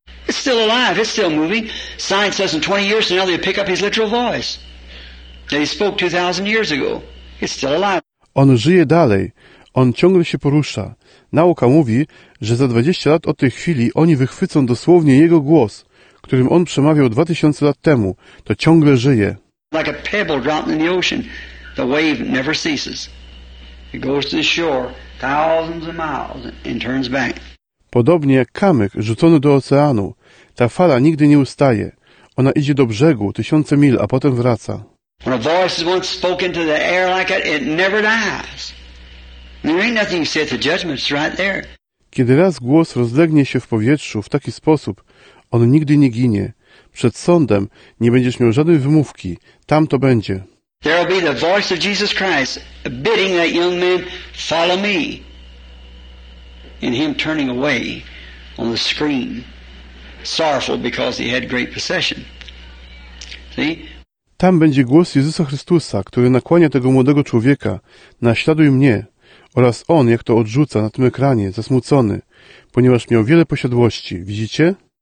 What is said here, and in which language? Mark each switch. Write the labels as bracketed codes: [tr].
[en] It's still alive, it's still moving. Science says in 20 years now they pick up his literal voice. That he spoke 2,000 years ago. He's still alive. [pl] On żyje dalej. On ciągle się porusza. Nauka mówi, że za 20 lat od tej chwili oni wychwycą dosłownie jego głos, którym on przemawiał 2000 lat temu. To ciągle żyje. [en] Like a pebble dropped in the ocean, the wave never ceases. It goes to the shore thousands of miles and turns back. [pl] Podobnie jak kamyk rzucony do oceanu, ta fala nigdy nie ustaje. Ona idzie do brzegu tysiące mil, a potem wraca. [en] When a voice is once spoken to the air like that, it never dies. There ain't nothing you say at the judgment, it's right there. [pl] Kiedy raz głos rozlegnie się w powietrzu w taki sposób, on nigdy nie ginie. Przed sądem nie będziesz miał żadnej wymówki. Tam to będzie. [en] There will be the voice of Jesus Christ bidding that young man, follow me. And him turning away on the screen, sorrowful because he had great possession. See? [pl] Tam będzie głos Jezusa Chrystusa, który nakłania tego młodego człowieka, naśladuj mnie, oraz on, jak to odrzuca na tym ekranie, zasmucony, ponieważ miał wiele posiadłości, widzicie?